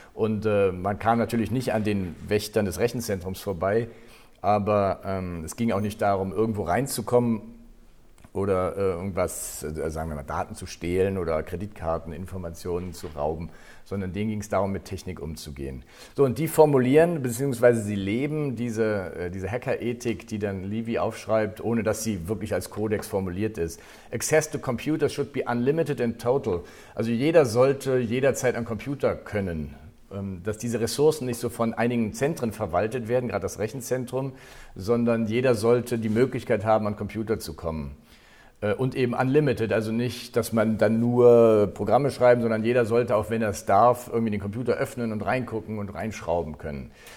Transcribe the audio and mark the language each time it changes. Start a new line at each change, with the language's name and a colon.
German: Und man kam natürlich nicht an den Wächtern des Rechenzentrums vorbei, aber es ging auch nicht darum, irgendwo reinzukommen, oder irgendwas, sagen wir mal, Daten zu stehlen oder Kreditkarten, Informationen zu rauben, sondern denen ging es darum, mit Technik umzugehen. So, und die formulieren, beziehungsweise sie leben diese Hacker-Ethik, die dann Levy aufschreibt, ohne dass sie wirklich als Kodex formuliert ist.
English: Access to computers should be unlimited in total.
German: Also jeder sollte jederzeit einen Computer können. Dass diese Ressourcen nicht so von einigen Zentren verwaltet werden, gerade das Rechenzentrum, sondern jeder sollte die Möglichkeit haben, an Computer zu kommen. Und eben unlimited, also nicht, dass man dann nur Programme schreiben, sondern jeder sollte, auch wenn er es darf, irgendwie den Computer öffnen und reingucken und reinschrauben können.